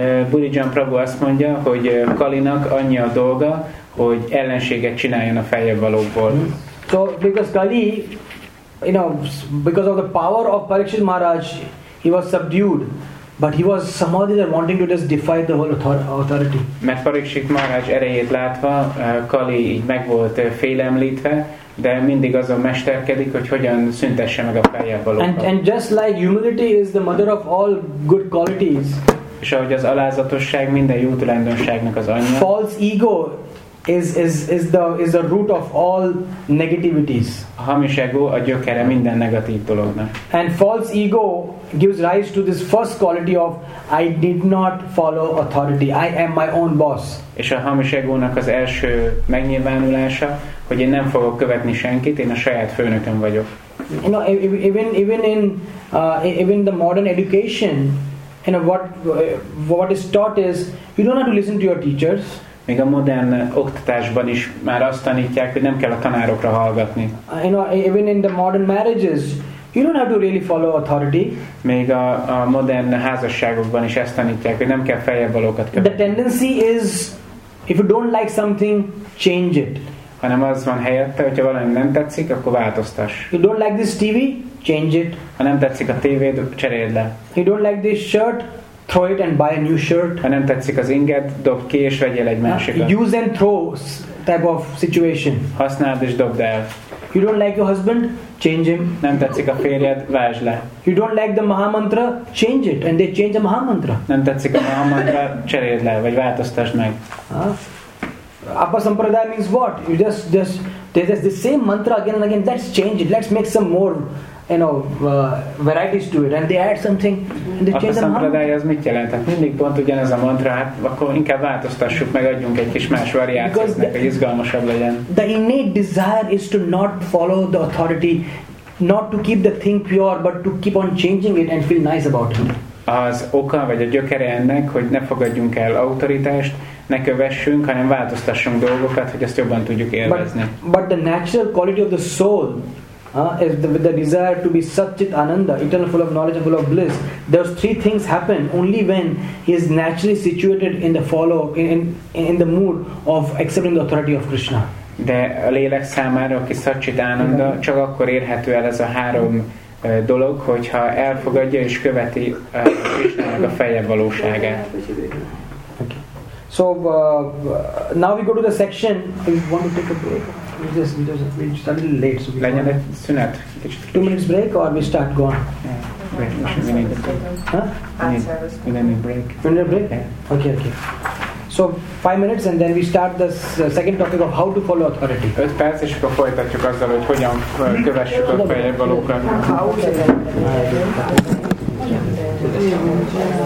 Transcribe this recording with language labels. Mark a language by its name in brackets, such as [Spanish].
[Hungarian] Burujan Prabhu azt mondja, hogy Kalinak annyi a dolga, hogy ellenséget csináljon a feljebb valókból. [English] So because Kali, you know, because of the power of Parikshit Maharaj, he was subdued, but he was somebody that wanting to just defy the whole authority. [Hungarian] Mert Parikshit Maharaj erejét látva, Kali így meg volt félemlítve, de mindig azon mesterkedik, hogy hogyan szüntesse meg a feljebb valókat. [English] And just like humility is the mother of all good qualities. [Hungarian] És ahogy az alázatosság minden jó tulajdonságnak az anyja. [English] False ego is the root of all negativities. [Hungarian] Hamis ego a gyökere minden negatív dolognak. [English] And false ego gives rise to this first quality of I did not follow authority. I am my own boss. [Hungarian] És a hamis egónak az első megnyilvánulása, hogy én nem fogok követni senkit, én a saját főnököm vagyok. [English] You know, even in the modern education, you know, what is taught is you don't have to listen to your teachers. [Hungarian] Még a modern oktatásban is már azt tanítják, hogy nem kell a tanárokra hallgatni. [English] You know, even in the modern marriages, you don't have to really follow authority. [Hungarian] Még a modern házasságokban is ezt tanítják, hogy nem kell feljebb valókat követni. [English] The tendency is, if you don't like something, change it. [Hungarian] Hanem az van helyette, hogyha valami nem tetszik, akkor változtass. [English] You don't like this TV, change it. [Hungarian] Ha nem tetszik a tévéd, cseréld le. [English] You don't like this shirt, throw it and buy a new shirt. [Hungarian] Ha nem tetszik az inged, dobd ki és vegyél egy másikat. [English] Use and throw type of situation. [Hungarian] Használd és dobd el. [English] You don't like your husband? Change him. [Hungarian] Nem tetszik a férjed? Vásd le. [English] You don't like the Mahamantra? Change it. And they change the Mahamantra. [Hungarian] Nem tetszik a Mahamantra? Cseréld le, vagy változtasd meg. [English] Abba Sampradaya means what? You just there's the same mantra again and again. Let's change it. Let's make some more, you know, varieties to it. And they add something. And they change the Mahamantra. [Hungarian] Abba Sampradaya az mit jelent? Hát mindig pont ugyanez a mantra. Hát akkor inkább változtassuk meg, adjunk egy kis más variációt, hogy izgalmasabb legyen. [English] The innate desire is to not follow the authority, not to keep the thing pure, but to keep on changing it and feel nice about it. [Hungarian] Az oka vagy a gyökere ennek, hogy ne fogadjunk el autoritást, ne kövessünk, hanem változtassunk dolgokat, hogy ezt jobban tudjuk élvezni. [English] But the natural quality of the soul, is with the desire to be Satchit Ananda, eternal full of knowledge and full of bliss, those three things happen only when he is naturally situated in the follow, in the mood of accepting the authority of Krishna. [Hungarian] De a lélek számára, aki Satchit Ananda, csak akkor érhető el ez a három dolog, hogyha elfogadja és követi Krisnának a feje valóságát. [English] So now we go to the section. We want to take a break. We just a little late. So we can. Sunat. 2 minutes break, or we start going. Yeah. We need a break. We need a break. Yeah. Okay. So 5 minutes, and then we start the second topic of how to follow authority. [Hungarian] 5 perc, és akkor folytatjuk azzal, hogy hogyan kövessük a fejebb valókat.